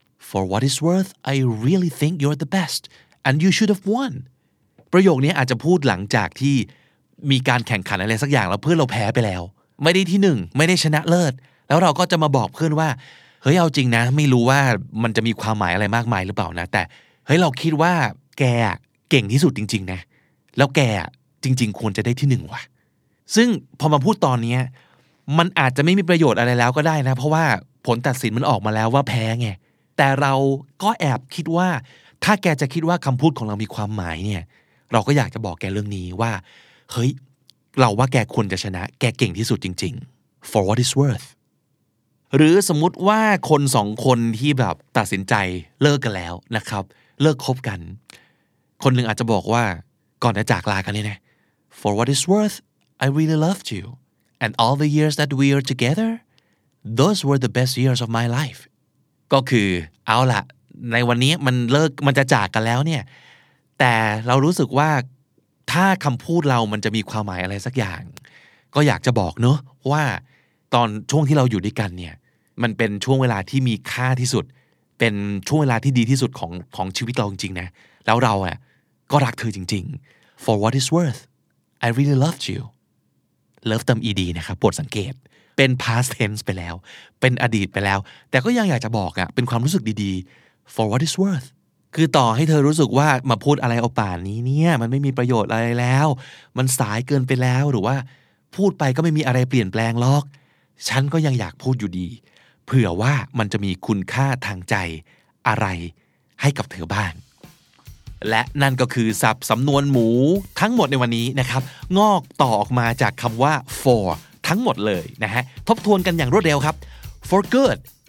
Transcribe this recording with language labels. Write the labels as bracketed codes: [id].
[en] For what it's worth, I really think you're the best, and you should have won. [th] ประโยคนี้อาจจะพูดหลังจากที่มีการแข่งขันอะไรสักอย่างแล้วเพื่อนเราแพ้ไปแล้วไม่ได้ที่หนึ่งไม่ได้ชนะเลิศแล้วเราก็จะมาบอกเพื่อนว่าเฮ้ยเอาจริงนะไม่รู้ว่ามันจะมีความหมายอะไรมากมายหรือเปล่านะแต่เฮ้ยเราคิดว่าแกเก่งที่สุดจริงๆนะแล้วแกจริงๆควรจะได้ที่หนึ่งว่ะซึ่งพอมาพูดตอนนี้ มันอาจจะไม่มีประโยชน์อะไรแล้วก็ได้นะเพราะว่าผลตัดสินมันออกมาแล้วว่าแพ้ไงแต่เราก็แอบคิดว่าถ้าแกจะคิดว่าคำพูดของเรามีความหมายเนี่ยเราก็อยากจะบอกแกเรื่องนี้ว่าเฮ้ยเราว่าแกควรจะชนะแกเก่งที่สุดจริง [en] ๆ for what it's worth [th] หรือสมมุติว่าคน2คนที่แบบตัดสินใจเลิกกันแล้วนะครับเลิกคบกันคนหนึ่งอาจจะบอกว่าก่อนจะจากลากันเนี่ยนะ [en] For what it's worth I really loved you and all the years that we are together those were the best years of my life [th] ก็คือเอาล่ะในวันนี้มันเลิกมันจะจากกันแล้วเนี่ยแต่เรารู้สึกว่าถ้าคำพูดเรามันจะมีความหมายอะไรสักอย่างก็อยากจะบอกเนาะว่าตอนช่วงที่เราอยู่ด้วยกันเนี่ยมันเป็นช่วงเวลาที่มีค่าที่สุดเป็นช่วงเวลาที่ดีที่สุดของชีวิตเราจริงๆนะแล้วเราอ่ะก็รักเธอจริง [en] ๆ For what it's worth I really loved you [th] Love them ED นะครับโปรดสังเกตเป็น past tense ไปแล้วเป็นอดีตไปแล้วแต่ก็ยังอยากจะบอกอ่ะเป็นความรู้สึกดี [en] ๆ For what it's worth [th] คือต่อให้เธอรู้สึกว่ามาพูดอะไรเอาป่านนี้เนี่ยมันไม่มีประโยชน์อะไรแล้วมันสายเกินไปแล้วหรือว่าพูดไปก็ไม่มีอะไรเปลี่ยนแปลงหรอกฉันก็ยังอยากพูดอยู่ดีเผื่อว่ามันจะมีคุณค่าทางใจอะไรให้กับเธอบ้างและนั่นก็คือศัพท์สำนวนหมูทั้งหมดในวันนี้นะครับงอกต่อออกมาจากคำว่า for ทั้งหมดเลยนะฮะทบทวนกันอย่างรวดเร็วครับ for good